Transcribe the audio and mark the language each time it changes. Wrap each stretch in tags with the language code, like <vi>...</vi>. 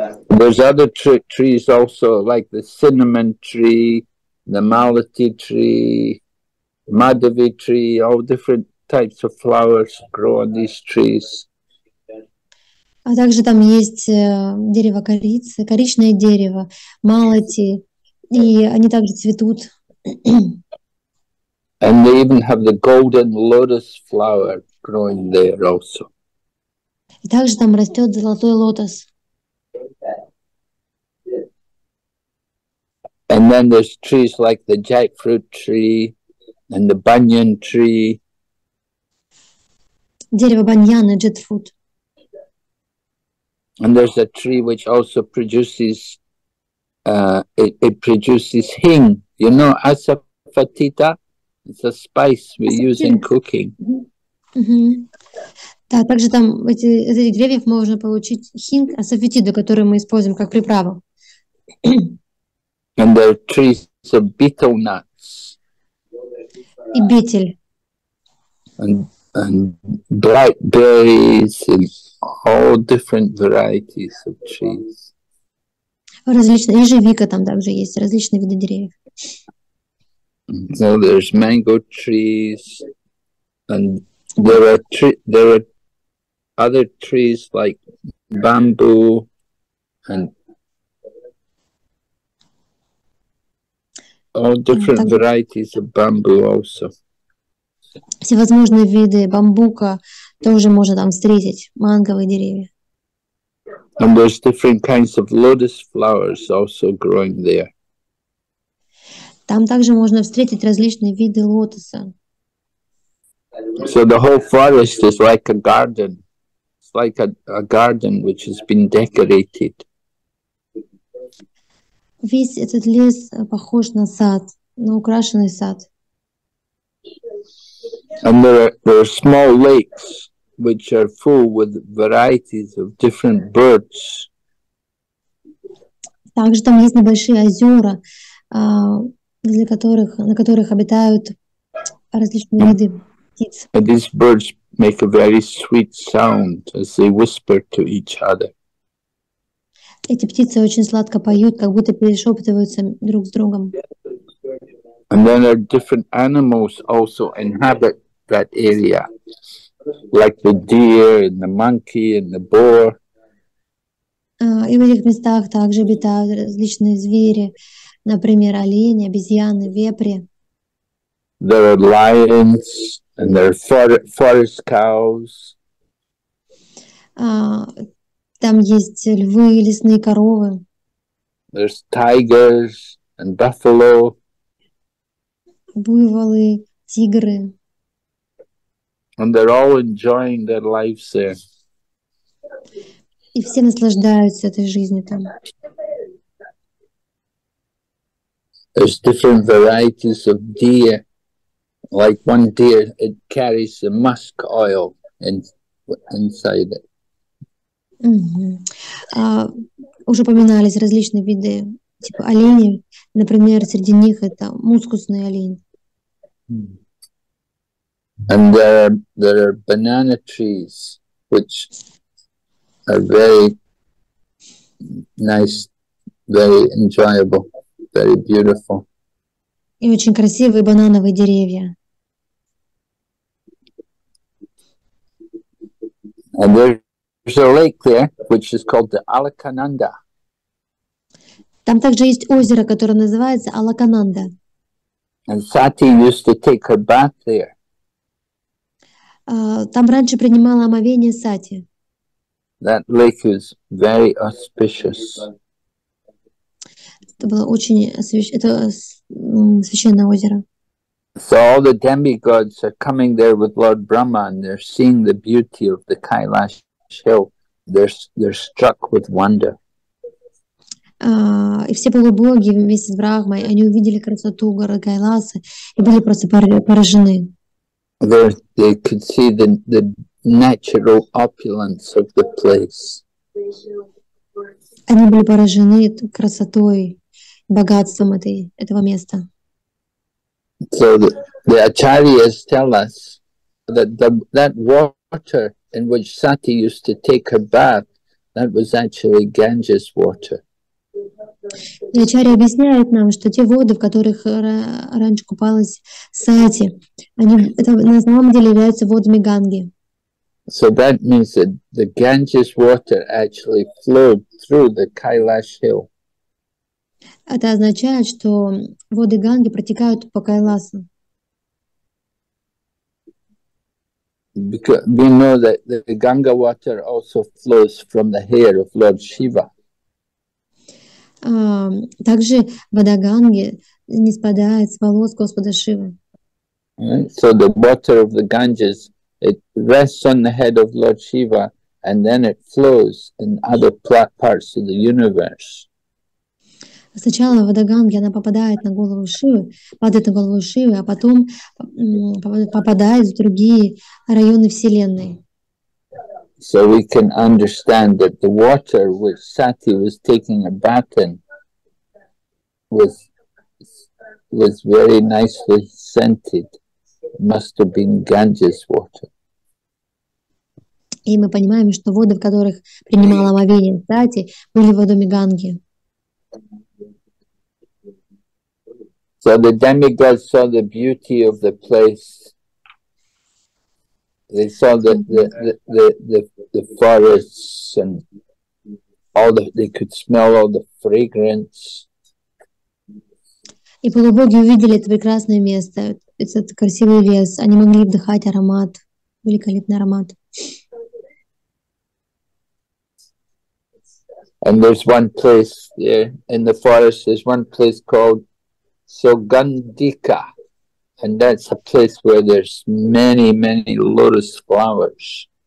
<en>There's other trees also, like the cinnamon tree, the malati tree, madhavi tree, all different types of flowers grow on these trees.</en> <ru>А также там есть дерево корицы, коричневое дерево, малати, и они также цветут.</ru> <en>And they even have the golden lotus flower growing there also.</en> <ru>И также там растет золотой лотос.</ru> <en>And then there's trees like the jackfruit tree and the banyan tree.</en> <ru>Дерево баньяна, jackfruit.</ru> <en>And there's a tree which also produces, it produces hing. You know, asafoetida, it's a spice we use in cooking.</en> <ru>Да, также там из этих деревьев можно получить хинг, асафетиду, который мы используем как приправу.</ru> <en>And there are trees So betel nuts.</en> <ru>И битель.</ru> <en>And blackberries and all different varieties of trees.</en> <ru>Различные ежевика там также есть, различные виды деревьев.</ru> <en>So there's mango trees, and there are other trees like bamboo and all different varieties of bamboo also.</en> <ru>Всевозможные виды бамбука тоже можно там встретить, манговые деревья.</ru> <en>And there's different kinds of lotus flowers also growing there.</en> <ru>Там также можно встретить различные виды лотоса.</ru> <en>So the whole forest is like a garden. It's like a garden which has been decorated.</en> <ru>Весь этот лес похож на сад, на украшенный сад.</ru> <en>And there are small lakes which are full with varieties of different birds.</en> <ru>Также там есть небольшие озера, для которых, на которых обитают различные виды птиц.</ru> <en>And these birds make a very sweet sound as they whisper to each other.</en> <ru>Эти птицы очень сладко поют, как будто перешептываются друг с другом.</ru> <en>And then there are different animals also inhabit that area, like the deer and the monkey and the boar.</en> <ru>И в этих местах также обитают различные звери, например, олени, обезьяны, вепри.</ru> <en>There are lions and there are forest cows.</en> <ru>Там есть львы, лесные коровы.</ru> <en>There's tigers and buffalo.</en> <ru>Буйволы, тигры.</ru> <en>And they're all enjoying their lives there.</en> <ru>И все наслаждаются этой жизнью там.</ru> <en>There's different varieties of deer. Like one deer, it carries the musk oil inside it.</en> <ru>Уже упоминались различные виды типа оленей. Например, среди них это мускусный олень.</ru> <en>And there are banana trees, which are very nice, very enjoyable, very beautiful.</en> <ru>И очень красивые банановые деревья.</ru> <en>And there's a lake there, which is called the Alakananda.</en> <ru>Там также есть озеро, которое называется Алакананда.</ru> <en>And Sati used to take her bath there.</en> <ru>Там раньше принимала омовение Сати.</ru> <en>That lake is very auspicious.</en> <ru>Это было очень священное озеро.</ru> <en>So all the demigods are coming there with Lord Brahma and they're seeing the beauty of the Kailash Hill. They're struck with wonder.</en> <ru>И все полубоги вместе с Брахмой, они увидели красоту горы Кайласа и были просто поражены.</ru> <en>They could see the natural opulence of the place.</en> <ru>Они были поражены красотой, богатством этого места.</ru> <en>So the acharyas tell us that that water in which Sati used to take her bath, that was actually Ganges water.</en> <ru>И Ачарья объясняет нам, что те воды, в которых раньше купалась Сати, они это на самом деле являются водами Ганги.</ru> <en>So that means that the Ganges water actually flowed through the Kailash Hill.</en> <ru>Это означает, что воды Ганги протекают по Кайласу.</ru> <en>Because we know that the Ganga water also flows from the hair of Lord Shiva.</en> <ru>Также вода Ганги не спадает с волос Господа Шивы.</ru> <en>So the water of the Ganges, it rests on the head of Lord Shiva and then it flows in other parts of the universe.</en> <ru>Сначала вода Ганги, она попадает на голову Шивы, падает на голову Шивы, а потом попадает в другие районы Вселенной.</ru> <en>So we can understand that the water which Sati was taking a bath in was was very nicely scented. It must have been Ganges water.</en> <ru>И мы понимаем, что воды, в которых принимала омовение Сати, были водами Ганги.</ru> <en>So the demigods saw the beauty of the place. They saw the forests and all the, they could smell all the fragrance.</en> <ru>И полубоги увидели это прекрасное место, этот красивый лес. Они могли вдыхать аромат, великолепный аромат.</ru> <en>And there's one place there in the forest, there's one place called Sogandika. And that's a place where there's many, many lotus flowers.</en>